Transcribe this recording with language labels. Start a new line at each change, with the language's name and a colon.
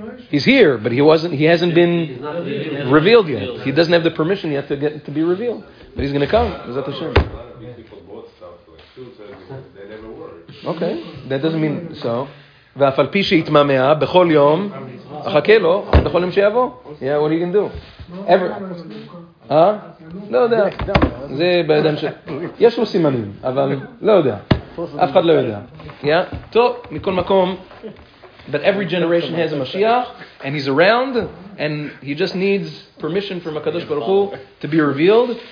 English: He's here, but he hasn't been revealed yet. He doesn't have the permission yet to get to be revealed. But he's going to come. Is that the shir? Okay, that doesn't mean so.
Hebrew: ואפעל פי שיתממה בכל יום, אחכה לו, בכל יום שיבוא.
English: Yeah, what are you going to do? Ever? Huh?
Hebrew: לא יודע. זה בידיים ש... יש לו סימנים, אבל לא יודע. אף אחד לא יודע. Yeah? טוב, מכל מקום,
English: but every generation has a Mashiach, and he's around, and he just needs permission from HaKadosh Baruch Hu to be revealed.